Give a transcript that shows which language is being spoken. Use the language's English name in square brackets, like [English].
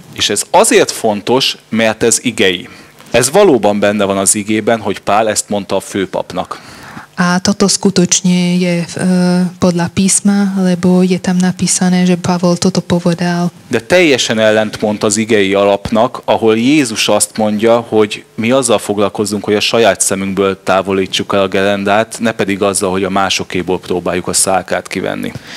[Hungarian] És ez azért fontos, mert ez igei. Ez valóban benne van az igében, hogy Pál ezt mondta a főpapnak. [Slovak] A toto skutočne je podľa písma, lebo je tam napísané, že Pavol toto povedal. [Hungarian] De teljesen ellentmond az igei alapnak, ahol Jézus azt mondja, hogy mi azzal foglalkozzunk, hogy a saját szemünkből távolítsuk el a gerendát, ne pedig azzal, hogy a másokéból próbáljuk a szálkát kivenni.